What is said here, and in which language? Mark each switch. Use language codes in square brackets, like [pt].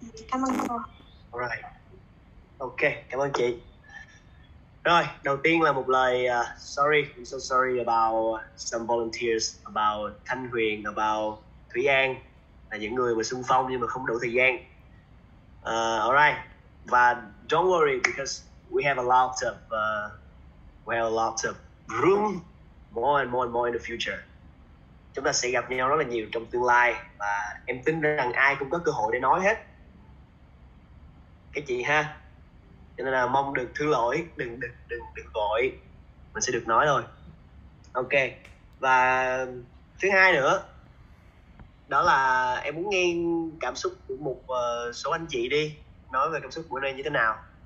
[vi] Cảm ơn cô. Alright, ok, cảm ơn chị. Rồi, đầu tiên là một lời [en] sorry, I'm so sorry about some volunteers, about Thanh Huyền, about Thủy An, [vi] là những người mà xung phong nhưng mà không đủ thời gian. [en] Alright, và don't worry because we have a lot of room, more and more in the future. [vi] Chúng ta sẽ gặp nhau rất là nhiều trong tương lai, và em tin rằng ai cũng có cơ hội để nói hết. Các chị ha, cho nên là mong được thứ lỗi, đừng gọi, mình sẽ được nói thôi. Ok, và thứ hai nữa, đó là em muốn nghe cảm xúc của một số anh chị đi, nói về cảm xúc của nơi như thế nào.